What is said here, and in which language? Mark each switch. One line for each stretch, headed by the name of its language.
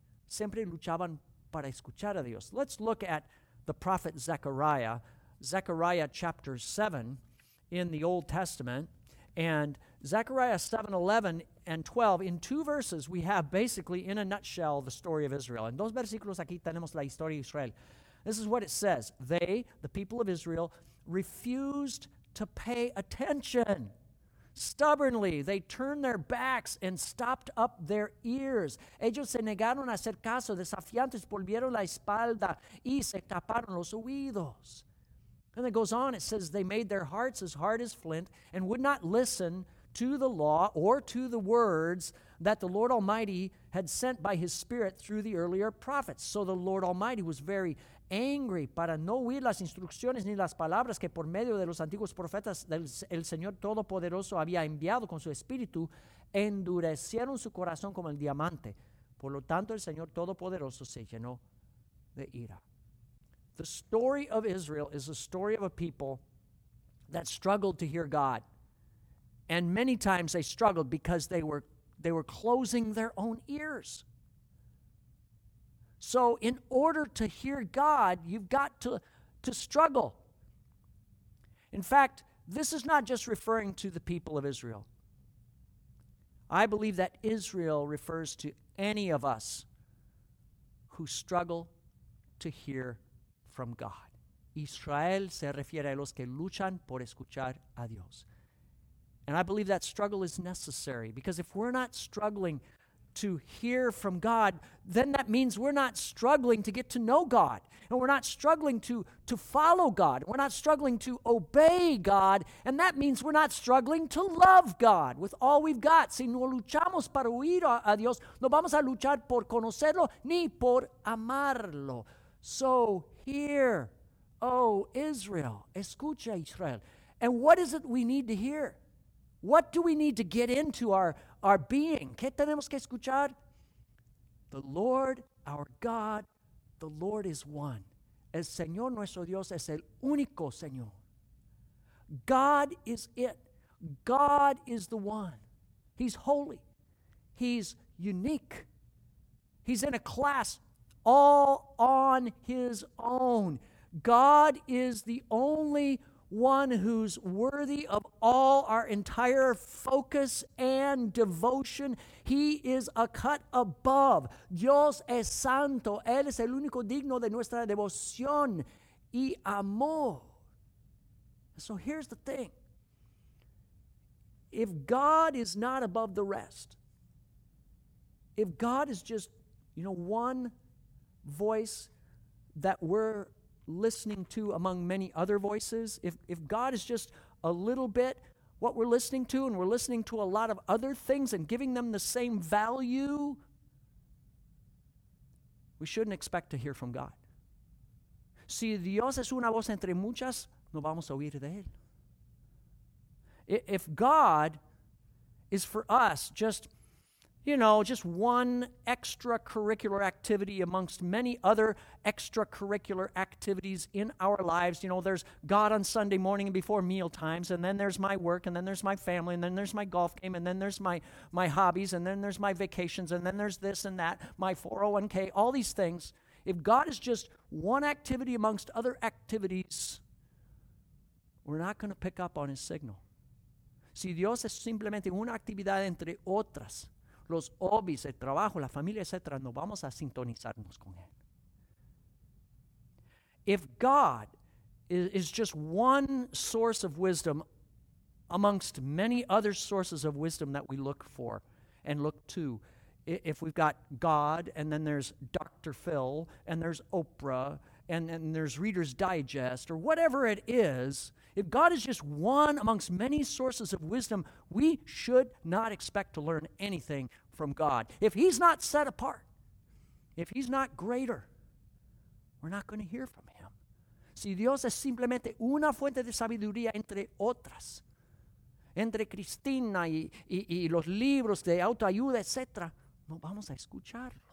Spanish: Siempre luchaban para escuchar a Dios.
English: Let's look at the prophet Zechariah, Zechariah chapter 7 in the Old Testament. And Zechariah 7, 11 and 12, in two verses, we have basically, in a nutshell, the story of Israel.
Spanish: En dos versículos aquí tenemos la historia de Israel.
English: This is what it says. They, the people of Israel, refused to pay attention. Stubbornly, they turned their backs and stopped up their ears.
Spanish: Ellos se negaron a hacer caso, desafiantes, volvieron la espalda y se taparon los oídos.
English: And it goes on, it says, they made their hearts as hard as flint and would not listen to the law or to the words that the Lord Almighty had sent by His Spirit through the earlier prophets. So the Lord Almighty was very angry
Spanish: para no oír las instrucciones ni las palabras que por medio de los antiguos profetas el Señor Todopoderoso había enviado con su espíritu, endurecieron su corazón como el diamante. Por lo tanto, el Señor Todopoderoso se llenó de ira.
English: The story of Israel is a story of a people that struggled to hear God. And many times they struggled because they were closing their own ears. So in order to hear God, you've got to struggle. In fact, this is not just referring to the people of Israel. I believe that Israel refers to any of us who struggle to hear from God.
Spanish: Israel se refiere a los que luchan por escuchar a Dios.
English: And I believe that struggle is necessary, because if we're not struggling to hear from God, then that means we're not struggling to get to know God, and we're not struggling to follow God, we're not struggling to obey God, and that means we're not struggling to love God with all we've got.
Spanish: Si no luchamos para oír a Dios, no vamos a luchar por conocerlo ni por amarlo.
English: So hear, oh Israel,
Spanish: escucha Israel.
English: And what is it we need to hear? What do we need to get into our being?
Spanish: ¿Qué tenemos que escuchar?
English: The Lord, our God, the Lord is one.
Spanish: El Señor nuestro Dios es el único Señor.
English: God is it. God is the one. He's holy. He's unique. He's in a class all on His own. God is the only one who's worthy of all our entire focus and devotion. He is a cut above.
Spanish: Dios es santo. Él es el único digno de nuestra devoción y amor.
English: So here's the thing. If God is not above the rest, if God is just, you know, one voice that we're listening to among many other voices, if God is just a little bit what we're listening to, and we're listening to a lot of other things and giving them the same value, we shouldn't expect to hear from God.
Spanish: Si Dios es una voz entre muchas, no vamos a oír de Él.
English: If God is for us just, you know, just one extracurricular activity amongst many other extracurricular activities in our lives. You know, there's God on Sunday morning and before meal times, and then there's my work, and then there's my family, and then there's my golf game, and then there's my hobbies, and then there's my vacations, and then there's this and that, my 401k, all these things. If God is just one activity amongst other activities, we're not going to pick up on His signal. Si Dios es simplemente una actividad entre otras, los hobbies, el trabajo, la familia, etc., no vamos a sintonizarnos con Él. If God is just one source of wisdom amongst many other sources of wisdom that we look for and look to, if we've got God and then there's Dr. Phil and there's Oprah and there's Reader's Digest or whatever it is, if God is just one amongst many sources of wisdom, we should not expect to learn anything from God. If he's not set apart, if he's not greater, we're not going to hear from him.
Spanish: Si Dios es simplemente una fuente de sabiduría entre otras, entre Cristina y los libros de autoayuda, etc., no vamos a escucharlo.